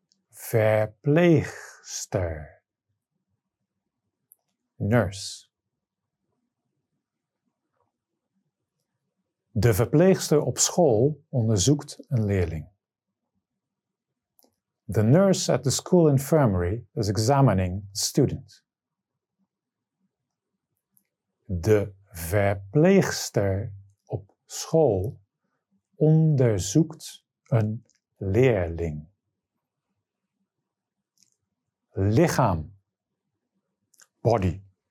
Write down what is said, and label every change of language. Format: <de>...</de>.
<nl>Verpleegster.</nl> <en>Nurse.</en> <nl>De verpleegster op school onderzoekt een leerling.</nl> <en>The nurse at the school infirmary is examining a student.</en> <nl>De verpleegster op school onderzoekt een leerling. Lichaam.</nl> <en>Body.</en>